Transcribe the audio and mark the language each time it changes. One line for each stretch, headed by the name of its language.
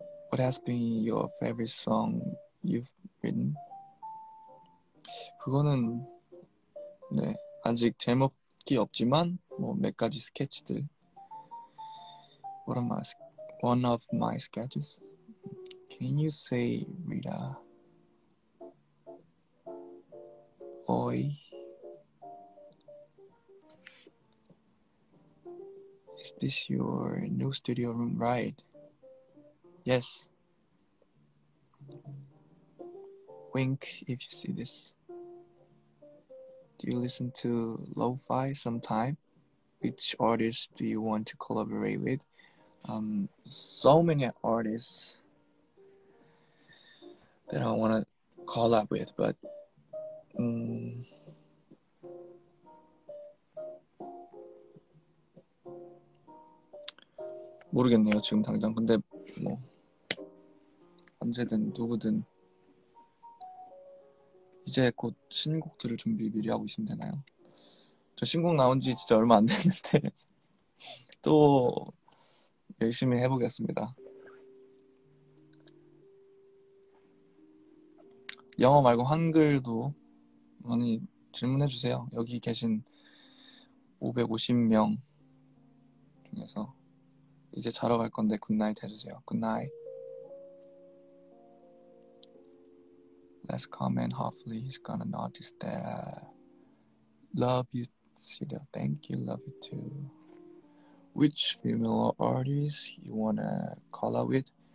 English: What has been your favorite song you've written?
Korean: 그거는 네 아직 제목이 없지만 뭐 몇 가지 스케치들.
English: One of my sketches. Can you say, Rita? Oi. Is this your new studio room, right? Yes. Wink if you see this. Do you listen to lo-fi sometime? Which artists do you want to collaborate with? So many artists that I want to collab with, but
Korean: 모르겠네요 지금 당장. 근데 뭐 언제든 누구든 이제 곧 신곡들을 준비 미리 하고 있으면 되나요? 저 신곡 나온 지 진짜 얼마 안 됐는데 또 열심히 해보겠습니다. 영어 말고 한글도 많이 질문해 주세요. 여기 계신 550명 중에서 이제 자러 갈 건데 굿나잇 해주세요. 굿나잇.
English: Let's come and hopefully he's gonna notice that. Love you, Celia. Thank you, love you too. Which female artist you wanna call out with?